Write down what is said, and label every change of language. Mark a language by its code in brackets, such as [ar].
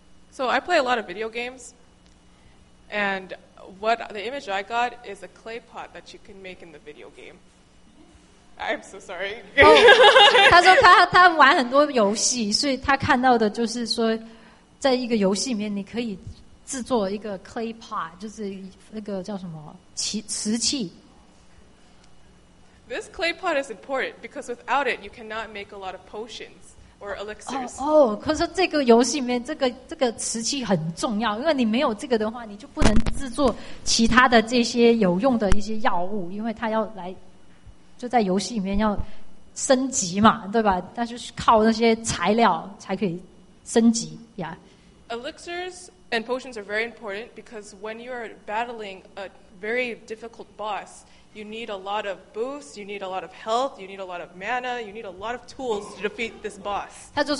[en] So I play a lot of video games, and what the image I got is a clay pot that you can make in the video game. I'm so sorry. [zh] Oh, 他说他玩很多游戏，所以他看到的就是说，在一个游戏里面你可以制作一个 clay pot，就是那个叫什么瓷器。 [en] This clay pot is important because without it, you cannot make a lot of potions. Or elixirs. [zh] Oh, 可是这个游戏里面这个瓷器很重要，因为你没有这个的话，你就不能制作其他的这些有用的一些药物，因为它要来就在游戏里面要升级嘛，对吧？但是靠那些材料才可以升级 ，yeah. [en] Elixirs and potions are very important because when you are battling a very difficult boss, you need a lot of boosts, you need a lot of health, you need a lot of mana, you need a lot of tools to defeat this boss.